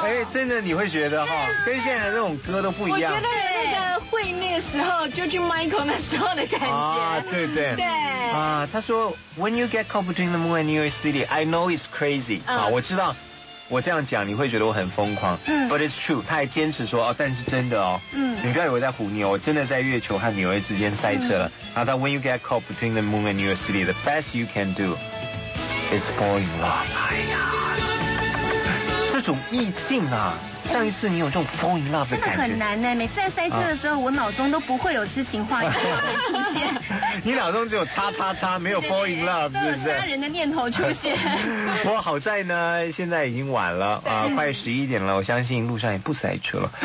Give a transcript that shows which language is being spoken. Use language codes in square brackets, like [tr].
[zh] 真的你会觉得哈，跟现在的那种歌都不一样。我觉得那个会那个时候George Michael 那时候的感觉。对对对。他说 [en] ，When you get caught between the moon and New York City, I know it's crazy。 [zh] 我知道，我这样讲你会觉得我很疯狂。 [en] But it's true。 [zh] 他还坚持说哦，但是真的哦。你不要以为在唬你哦，我真的在月球和纽约之间塞车了。然后他 [en] When you get caught between the moon and New York City, the best you can do is fall in love。 [zh] 哎呀。这种意境啊，上一次你有这种 [en] fall in love [zh] 的感觉，真的很难呢。每次在塞车的时候，我脑中都不会有诗情画意出现。你脑中只有叉叉叉，没有 [en] fall in love， [zh] 是不是？杀人的念头出现。不过好在呢，现在已经晚了啊，快11点了，我相信路上也不塞车了。